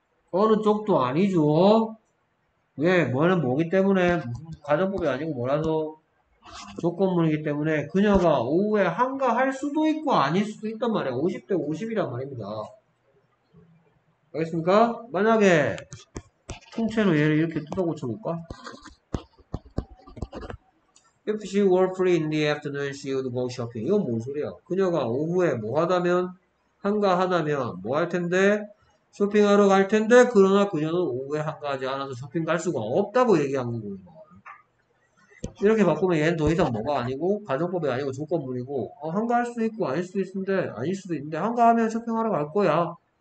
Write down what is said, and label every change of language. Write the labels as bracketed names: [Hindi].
[Korean] 어느 쪽도 아니죠. 왜? 뭐는 뭐기 때문에 가정법이 아니고 뭐라서. 조건문이기 때문에 그녀가 오후에 한가할 수도 있고 아닐 수도 있단 말이에요. 50대 50이란 말입니다. 알겠습니까? 만약에 통째로 얘를 이렇게 뜯어고쳐 볼까? [English] If she were free in the afternoon, she would go shopping. [Korean] 이건 뭔 소리야? 그녀가 오후에 뭐 하다면 한가하다면 뭐 할 텐데 쇼핑하러 갈 텐데 그러나 그녀는 오후에 한가하지 않아서 쇼핑 갈 수가 없다고 얘기한 거군요. 이렇게 바꾸면 얘는 더 이상 뭐가 아니고 가정법이 아니고 조건문이고 한가할 수도 있고 아닐 수도 있는데 아닐 수도 있는데 한가하면 쇼핑하러 갈 거야.